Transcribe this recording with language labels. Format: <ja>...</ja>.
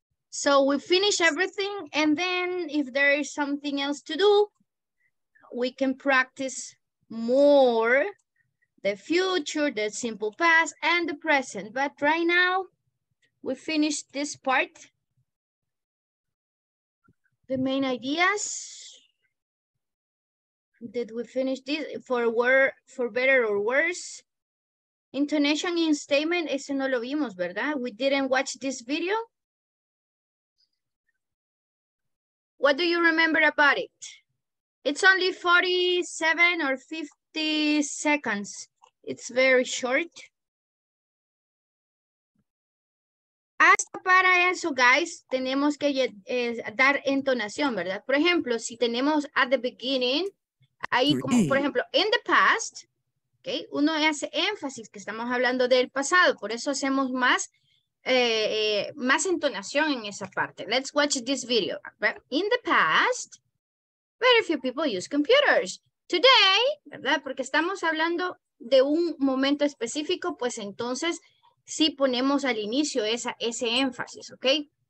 <en>So we finish everything, and then if there is something else to do, we can practice more the future, the simple past, and the present. But right now, we finish this part. The main ideas. Did we finish this for word, for better or worse? Intonation in statement,</en> <es>ese no lo vimos, ¿verdad?</es> <en>We didn't watch this video. What do you remember about it? It's only 47 or 50 seconds. It's very short.</en> <es>Hasta para eso, guys, tenemos que dar entonación, ¿verdad? Por ejemplo, si tenemos</es> <en>at the beginning,</en> <es>ahí como, por</es> <en>Three. ejemplo, in the past. Okay.</en> <es>Uno hace énfasis que estamos hablando del pasado, por eso hacemos más, más entonación en esa parte.</es> <en>Let's watch this video. But in the past, very few people use computers. Today,</en> <es>¿verdad? Porque estamos hablando de un momento específico, pues entonces sí ponemos al inicio ese énfasis, ¿ok?</es>